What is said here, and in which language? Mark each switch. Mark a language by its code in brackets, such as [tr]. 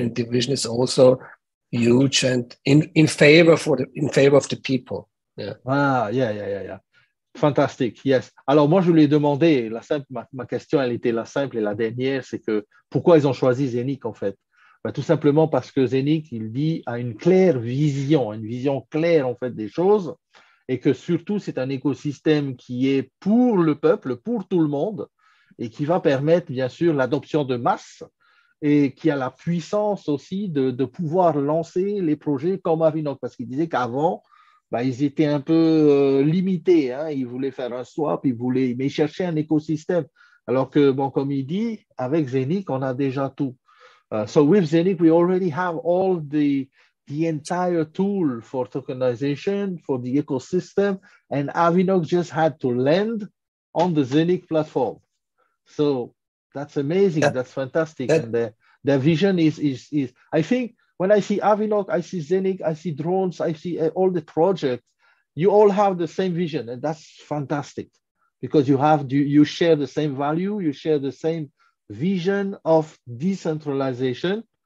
[en] And the vision is also huge and in favor of the people. Yeah. Ah, yeah. Fantastic. Yes. [fr] Alors moi je lui ai demandé la simple ma question, elle était la simple et la dernière, c'est que pourquoi ils ont choisi Scenic en fait. Ben, tout simplement parce que Scenic, il dit, a une vision claire en fait des choses. Et que surtout, c'est un écosystème qui est pour le peuple, pour tout le monde, et qui va permettre, bien sûr, l'adoption de masse, et qui a la puissance aussi de pouvoir lancer les projets comme Avinoc. Parce qu'il disait qu'avant, bah, ils étaient un peu limités. Hein, ils voulaient faire un swap, mais ils cherchaient un écosystème. Alors que, bon, comme il dit, avec Scenic, on a déjà tout. [en] So with Scenic, we already have all the entire tool for tokenization, for the ecosystem, and Avinoc just had to land on the Scenic platform. So that's amazing, yeah. That's fantastic. Yeah. And their vision is, I think when I see Avinoc, I see Scenic, I see drones, I see all the projects, you all have the same vision, and that's fantastic because you share the same value, you share the same vision of decentralization.